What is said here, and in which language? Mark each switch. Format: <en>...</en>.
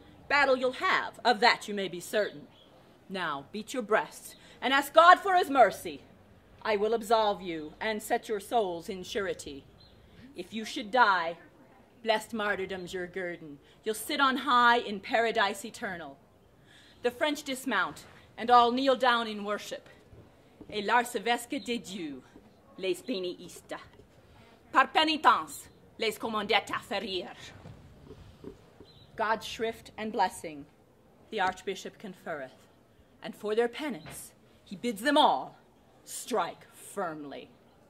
<en>Battle you'll have, of that you may be certain. Now beat your breasts, and ask God for his mercy. I will absolve you, and set your souls in surety. If you should die, blessed martyrdom's your guerdon. You'll sit on high in paradise eternal. The French dismount, and all kneel down in worship.</en> <fro>Et l'arcevesque de Dieu, les pénitents, par pénitence, les commandait à ferir.</fro> <en>God's shrift and blessing the archbishop conferreth, and for their penance he bids them all strike firmly.</en>